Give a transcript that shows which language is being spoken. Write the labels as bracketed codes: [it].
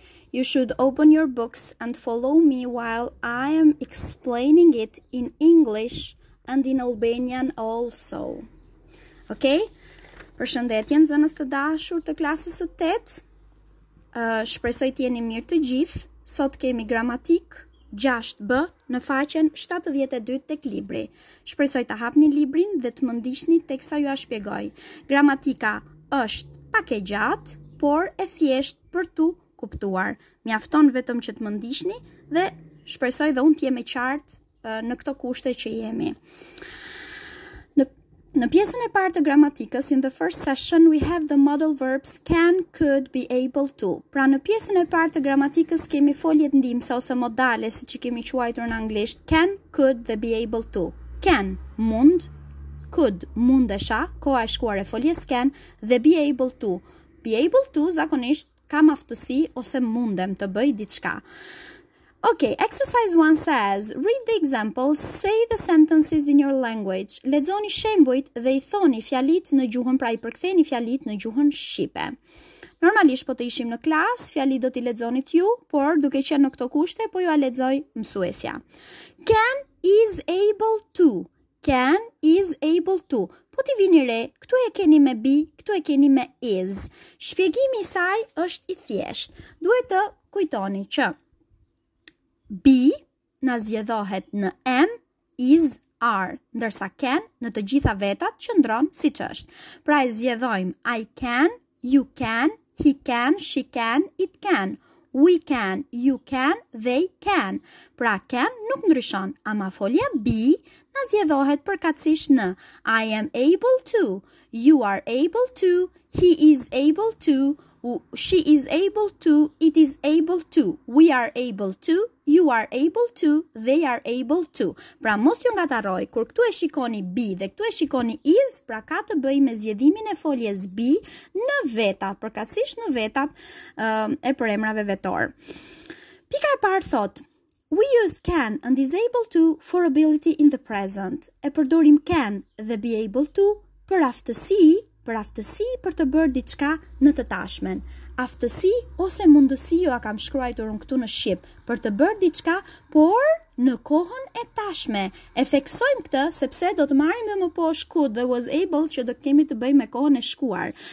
[en] You should open your books and follow me while I am explaining it in English and in Albanian also. Okay? [sq] Përshëndetje nxënës të dashur të klasës së 8. Shpresoj të jeni mirë të gjithë. Sot kemi gramatik 6b në faqen 72 tek libri. Shpresoj të hapni librin dhe të më ndiqni teksa ju a shpjegoj. Gramatika është pak e gjatë, por e thjeshtë për tu kuptuar. Mjafton vetëm që të më ndiqni dhe shpresoj dhe unë të jemi qartë në këto kushte që jemi. Në pjesën e parë të gramatikës, [en] in the first session, we have the modal verbs can, could, be able to. [sq] Pra në pjesën e parë të gramatikës kemi foljet ndimëse ose modale, si që kemi quajtur në anglisht, can, could, dhe be able to. Can, mund, could, mundesha, koha e shkuar e foljes can, dhe be able to. Be able to, zakonisht, kam aftësi ose mundem të bëj diçka. [en] Okay, exercise 1 says, read the examples, say the sentences in your language. [sq] Lexoni shembujt dhe I thoni fjalit në gjuhën, pra I përktheni fjalit në gjuhën shqipe. Normalisht po të ishim në klas, fjalit do t'i lexonit ju, por duke qenë në këto kushte, po ju a lexoj mësuesja. [en] Can is able to. Can is able to. [sq] Po t'i vini re, këtu e keni me be, këtu e keni me is. Shpjegimi I saj është I thjesht. Duhet të kujtoni që B na zgjedhohet në am, is, are, ndërsa can në të gjitha vetat qëndron siç është. Pra e zgjedhojmë [en] I can, you can, he can, she can, it can, we can, you can, they can. [sq] Pra can nuk ndryshon, ama folja B na zgjedhohet përkatësisht në [en] I am able to, you are able to, he is able to, she is able to, it is able to, we are able to, you are able to, they are able to. [sq] Pra mos ju ngatarroj, kur këtu e shikoni be dhe këtu e shikoni is, pra ka të bëj me zgjedhimin e foljes be në veta, përkatësisht në vetat e përemrave vetor. Pika e parë thot, [en] we use can and is able to for ability in the present. [sq] E përdorim can dhe be able to për aftësi, për aftësi për të bërë diçka në të tashmen. Aftësi ose mundësi ju a kam shkruajtur unë këtu në Shqip, për të bërë diçka, por në kohën e tashme. E theksojmë këtë, sepse do të marim dhe më poshtë could dhe was able që do kemi të bëjmë me kohën e shkuar.